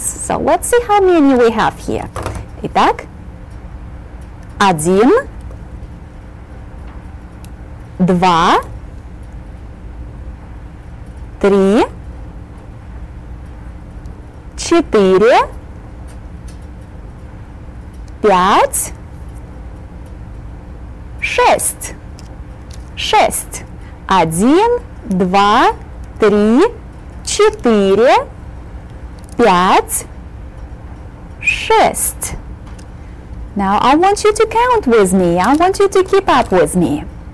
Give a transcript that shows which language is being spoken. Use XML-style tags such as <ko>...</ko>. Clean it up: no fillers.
<en>So let's see how many we have here.</en> <ru>Итак, один, два, три, четыре, пять, шесть, шесть. Один, два, три, четыре, пять, шесть.</ru> <en>Now I want you to count with me. I want you to keep up with me.</en>